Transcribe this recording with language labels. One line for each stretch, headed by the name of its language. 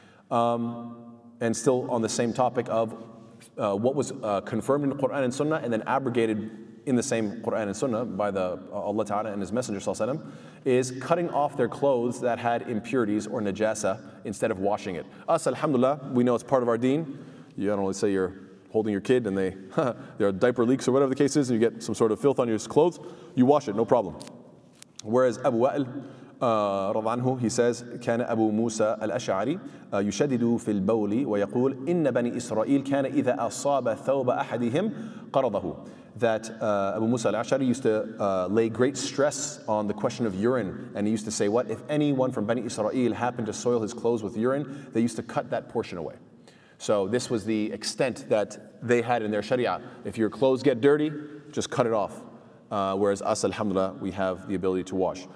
English: And still on the same topic of what was confirmed in the Quran and Sunnah and then abrogated in the same Quran and Sunnah by the Allah Ta'ala and His Messenger, Sallallahu Alaihi Wasallam, is cutting off their clothes that had impurities or najasa instead of washing it. Us, alhamdulillah, we know it's part of our deen. You don't really say you're holding your kid and their diaper leaks or whatever the case is, and you get some sort of filth on your clothes, you wash it, no problem. Whereas Abu Wa'il,
Arabic: رضي عنه,
English: he says,
Arabic: كان أبو موسى الأشعري يشدد في البول ويقول إن بني إسرائيل كان إذا أصاب ثوب أحدهم قرضه.
English: That Abu Musa al-Ash'ari used to lay great stress on the question of urine, and he used to say, what? If anyone from Bani Israel happened to soil his clothes with urine, they used to cut that portion away. So this was the extent that they had in their sharia. If your clothes get dirty, just cut it off. Whereas us, alhamdulillah, we have the ability to wash.